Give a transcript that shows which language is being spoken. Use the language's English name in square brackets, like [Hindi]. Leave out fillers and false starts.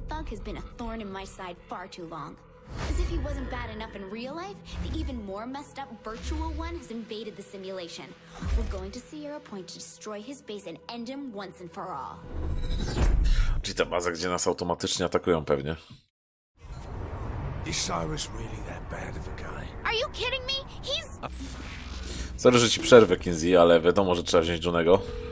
[English] Has been a thorn in my side far too long. As if he wasn't bad enough in real life, the even more messed up virtual one has invaded the simulation. We're going to Sierra Point to destroy his base and end him once and for all. [Polish] Czyli ta baza, gdzie nas automatycznie atakują pewnie. [English] Is Cyrus really that bad of a guy? Are you kidding me? He's... [Polish] Sorry, że ci przerwę, Kinsey, ale wiadomo, że trzeba wziąć Junego.